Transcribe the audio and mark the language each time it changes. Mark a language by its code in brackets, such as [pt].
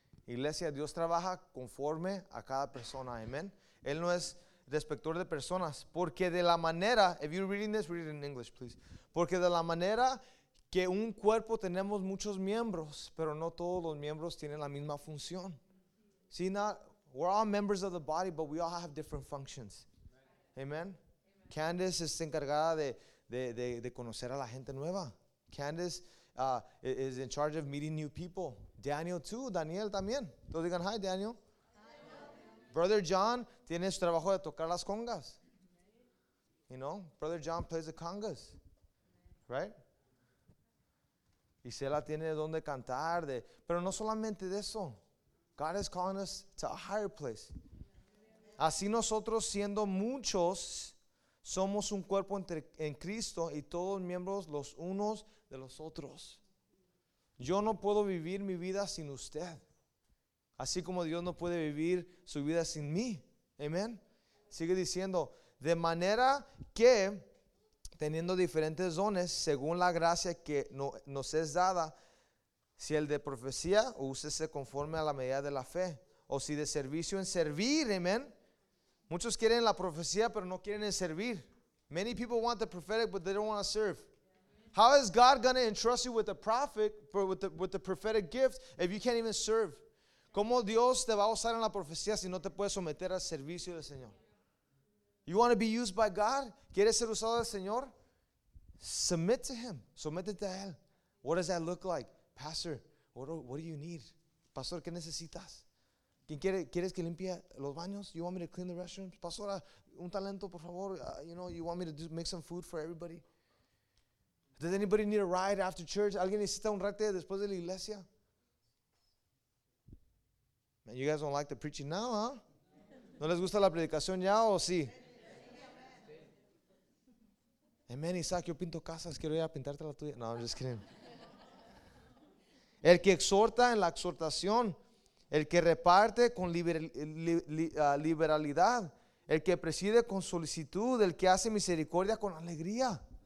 [es] Iglesia, Dios trabaja conforme a cada persona, amén. Él no es respecto de personas, porque de la manera, [en] if you're reading this, read it in English, please. [es] Porque de la manera que un cuerpo tenemos muchos miembros, pero no todos los miembros tienen la misma función. [en] See, not, we're all members of the body, but we all have different functions, amén. [es] Candace es encargada de conocer a la gente nueva. [en] Candace is in charge of meeting new people. [es] Daniel too, Daniel también. Todos digan hi, Daniel. Brother John tiene su trabajo de tocar las congas. [en] You know, Brother John plays the congas, right? [es] Isela tiene donde cantar, pero no solamente de eso. [en] God is calling us to a higher place. [es] Así nosotros siendo muchos, somos un cuerpo en Cristo y todos miembros los unos de los otros. Yo no puedo vivir mi vida sin usted. Así como Dios no puede vivir su vida sin mí. Amén. Sigue diciendo, de manera que, teniendo diferentes dones, según la gracia que nos es dada, si el de profecía, úsese conforme a la medida de la fe. O si de servicio en servir, amén. Muchos quieren la profecía, pero no quieren el servir. [en] Many people want the prophetic, but they don't want to serve. How is God going to entrust you with the prophet, with the prophetic gift, if you can't even serve? [es] ¿Cómo Dios te va a usar en la profecía si no te puedes someter al servicio del Señor? [en] You want to be used by God? [es] ¿Quieres ser usado del Señor? [en] Submit to Him. [es] Sométete a Él. [en] What does that look like? Pastor, what do you need? Pastor, [es] ¿qué necesitas? ¿Quieres que limpie los baños? [en] You want me to clean the restrooms? [es] Pastor, un talento, por favor. [en] You know, you want me to make some food for everybody? Does anybody need a ride after church? [es] ¿Alguien necesita un rete después de la iglesia? [en] Man, you guys don't like the preaching now, huh? [es] ¿No les gusta la predicación ya o sí? Amen, Isaac, yo pinto casas, quiero ir a pintarte la tuya. [en] No, I'm just kidding. [es] El que exhorta en la exhortación, el que reparte con liberalidad, el que preside con solicitud, el que hace misericordia con alegría.